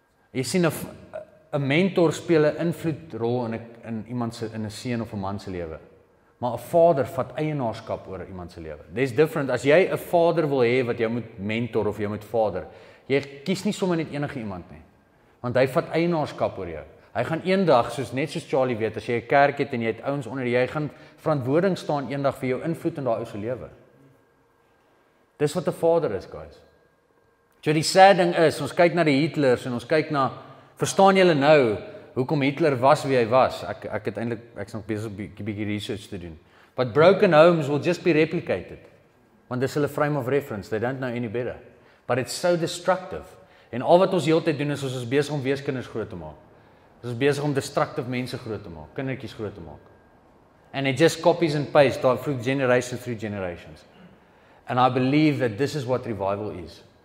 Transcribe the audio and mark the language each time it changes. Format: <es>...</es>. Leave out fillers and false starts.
<af>Jy sien, een mentor speel een invloedrol in iemand se, in een seun of een man se lewe. Maar een vader vat eienaarskap oor iemand se lewe. Dis different. As jy een vader wil hê wat jy moet mentor of jy moet vader, jy kies nie sommer net enige iemand nie. Want hy vat eienaarskap oor jou. Hy gaan een dag, soos net soos Charlie weet, as jy een kerk het en jy het ouens onder, jy gaan verantwoording staan een dag vir jou invloed in daai ouse lewe. Dis wat 'n vader is, guys. So die sad ding is, ons kyk na die Hitlers en ons kyk na, verstaan julle nou, hoekom Hitler was wie hy was? Ek het eintlik, ek is nog besig om 'n bietjie research te doen.</af> <en>But broken homes will just be replicated.</en> <af>Want dis hulle</af> <en>frame of reference, they don't know any better. But it's so destructive.</en> <af>En al wat ons die hele tyd doen is, ons is besig om weeskinders groot te maak. Dit is bezig om destructive mense groot te maak, kindertjies groot te maak.</af> <en>And it just copies and pastes through generations, through generations. And I believe that this is what revival is.</en>